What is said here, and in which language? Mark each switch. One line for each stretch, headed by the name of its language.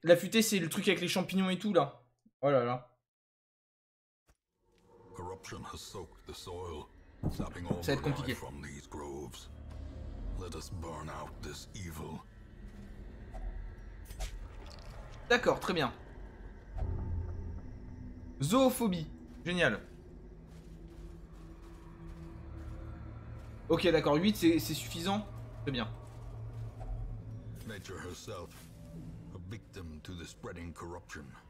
French: L'affûté, c'est le truc avec les champignons et tout là. Oh là là.
English: Corruption has soaked the soil, sapping all the life from these groves. Let us burn out this evil.
French: D'accord, très bien. Zoophobie, génial. Ok, d'accord, 8, c'est suffisant. Très bien.
English: Herself, a victim to the spreading corruption.